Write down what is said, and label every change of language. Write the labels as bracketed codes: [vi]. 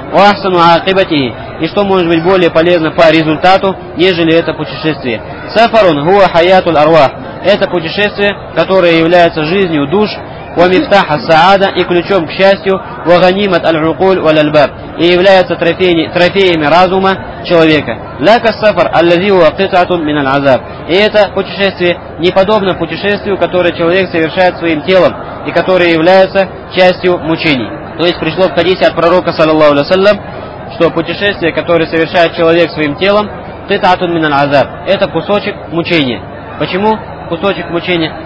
[ar] «Ва'ахсану акибатихи». [ru] И что может быть более полезно по результату, нежели это путешествие. [ar] «Сафарун гуа хаятул арвах». [ru] Это путешествие, которое является жизнью душ, [ar] ومفتاح السعادة [ru] и ключом к счастью, [ar] وغنيمت العقول والألباب, [ru] и является трофеями разума человека. [ar] لك السفر الذي هو قطعة من العذاب. [ru] И это путешествие не подобно путешествию, которое человек совершает своим телом и которое является частью мучений. То есть пришло в хадисе от пророка саллаллаху алейхи ва саллям, что путешествие, которое совершает человек своим телом, [ar] قطعة من العذاب. [ru] Это кусочек мучения. Почему кусочек мучения?